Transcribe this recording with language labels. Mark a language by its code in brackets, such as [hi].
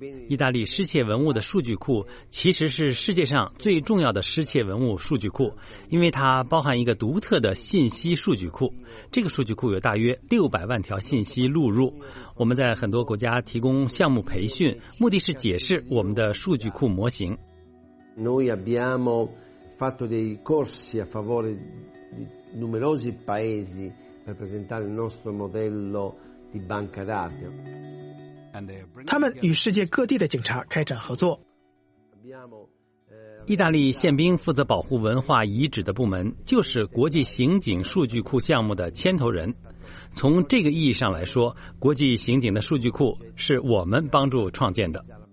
[zh] 意大利失窃文物的数据库其实是世界上最重要的失窃文物数据库，因为它包含一个独特的信息数据库。这个数据库有大约600万条信息录入。我们在很多国家提供项目培训，目的是解释我们的数据库模型。 [it] Noi abbiamo fatto dei corsi a favore di numerosi paesi per presentare il nostro modello di banca dati。 [zh] 他们与世界各地的警察开展合作。意大利宪兵负责保护文化遗址的部门就是国际刑警数据库项目的牵头人。从这个意义上来说，国际刑警的数据库是我们帮助创建的。